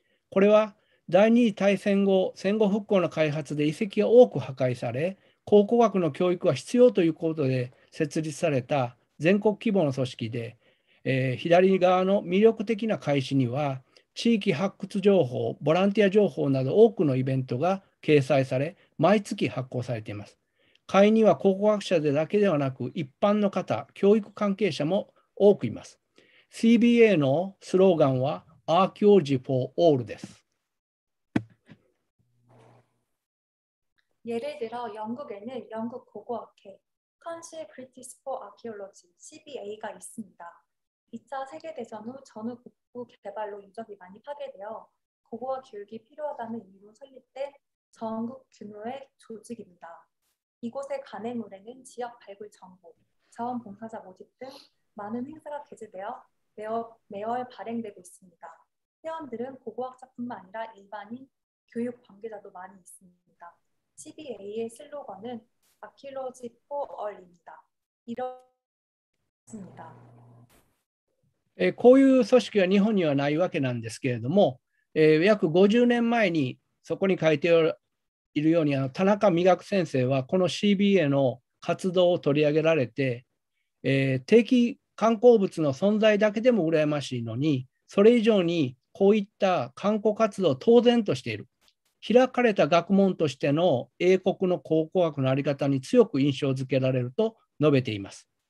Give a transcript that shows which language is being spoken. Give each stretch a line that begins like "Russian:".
Japanese: これは第二次大戦後戦後復興の開発で遺跡が多く破壊され、考古学の教育は必要ということで設立された全国規模の組織で、左側の魅力的な会誌には地域発掘情報、ボランティア情報など多くのイベントが掲載され、毎月発行されています。会員には考古学者でだけではなく一般の方、教育関係者も多くいます。 CBA のスローガンは Archaeology for All です。
Korean: 예를들어영국에는영국고고학회 Council British for Archaeology CBA 가있습니다。 2차세계대전후전후국부개발로유적이많이파괴되어고고학교육이필요하다는이유로설립된전국규모의조직입니다。 이곳의관행물에는지역발굴정보자원봉사자모집등많은행사가개최되어매월발행되고있습니다회원들은고고학자뿐만아니라일반인교육관계자도많이있습니다 CBA 의슬로건은 Archaeology for All 입니다이렇습니다
Japanese: こういう組織は日本にはないわけなんですけれども、約50年前にそこに書いておるいるように、田中美学先生はこの CBA の活動を取り上げられて、定期刊行物の存在だけでも羨ましいのに、それ以上にこういった刊行活動を当然としている、開かれた学問としての英国の考古学のあり方に強く印象付けられると述べています。